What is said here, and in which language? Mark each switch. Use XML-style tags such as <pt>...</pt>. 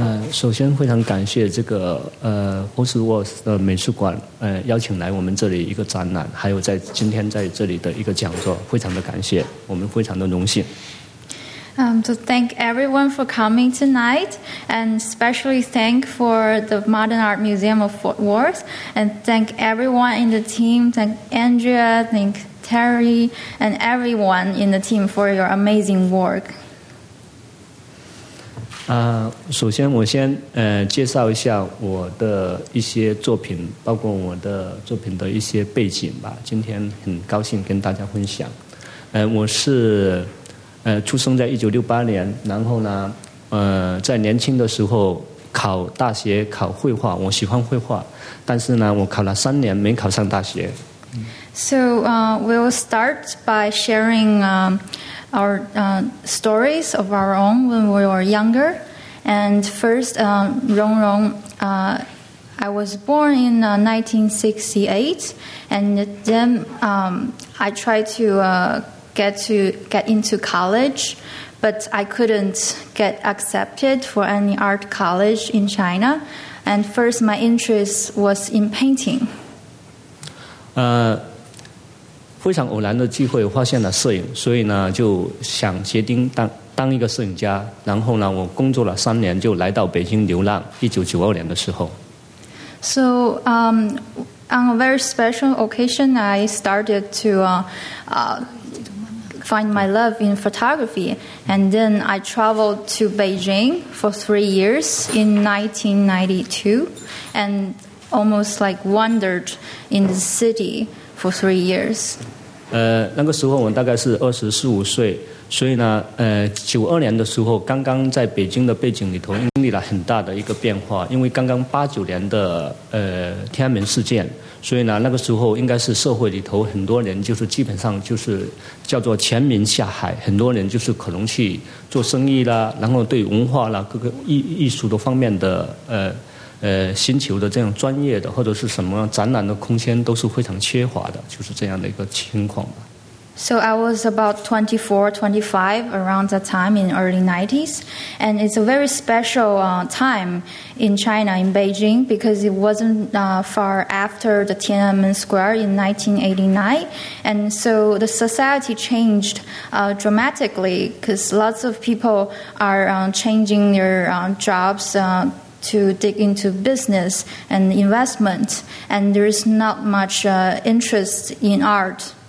<zh>首先非常感谢这个Post Wars 的美术馆邀请来我们这里一个展览，还有在今天在这里的一个讲座，非常的感谢，我们非常的荣幸。</zh> <en>To thank everyone for coming tonight, and especially thank for the Modern Art Museum of Fort Worth, and thank everyone in the team, thank Andrea, thank Terry, and everyone in the team for your amazing work.</en> <zh>首先我先介绍一下我的一些作品，包括我的作品的一些背景吧。今天很高兴跟大家分享。我是出生在1968年，然后呢在年轻的时候考大学考绘画，我喜欢绘画，但是呢我考了3年没考上大学。</zh> <en>So, we'll start by sharing, our stories of our own when we were younger. And first, Rong Rong, I was born in 1968, and then I tried to get into college, but I couldn't get accepted for any art college in China. And first, my interest was in painting.</en> <zh>非常偶然的机会发现了摄影，所以呢就想决定当一个摄影家，然后呢我工作了3年就来到北京流浪，1992年的时候。</zh> <en>So on a very special occasion I started to find my love in photography, and then I traveled to Beijing for 3 years in 1992 and almost like wandered in the cityFor 3 years.</en> <zh>那个时候我大概是24、25岁，所以呢，92年的时候，刚刚在北京的背景里头经历了很大的一个变化，因为刚刚89年的天安门事件，所以呢，那个时候应该是社会里头很多人就是基本上就是叫做全民下海，很多人就是可能去做生意啦，然后对文化啦各个艺术的方面的寻求的这样专业的或者是什么展览的空间都是非常缺乏的，就是这样的一个情况吧。</zh> <en>So I was about 24, 25 around that time in early 90s. And it's a very special time in China, in Beijing, because it wasn't far after the Tiananmen Square in 1989. And so the society changed dramatically because lots of people are changing their jobs, to dig into business and investment, and there is not much interest in art.</en>